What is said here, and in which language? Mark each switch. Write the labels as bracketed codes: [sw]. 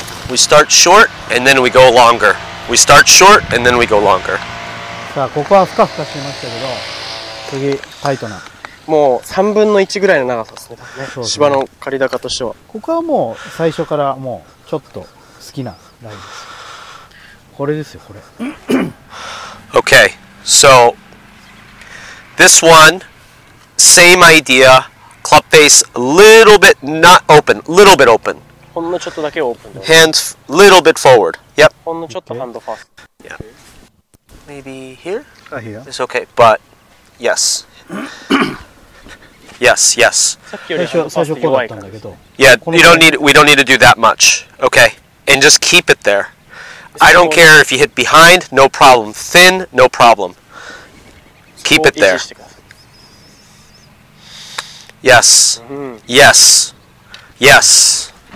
[en] We start short and then we go longer. We start short and then we go longer. [ja] さあここはふかふかしてましたけど、次タイトな。もう三分の一ぐらいの長さです ね, そうですね。芝の刈り高としては。ここはもう最初からもうちょっと好きなラインです。これですよこれ。 [en] okay, so this one, same idea, club face little bit not open, little bit open. [ja] ほんのちょっとだけオープン。 [en] Hands little bit forward. Yep. [ja] ほんのちょっとハンドファースト。 [en] Yeah. Maybe here? Ah, here. It's okay, but yes. yes, yes. [ja] さっきより最初こうだったんだけど。 [en] Yeah, you don't need, we don't need to do that much. Okay. And just keep it there. I don't care if you hit behind, no problem. Thin, no problem. Keep it there. Yes. Yes. Yes.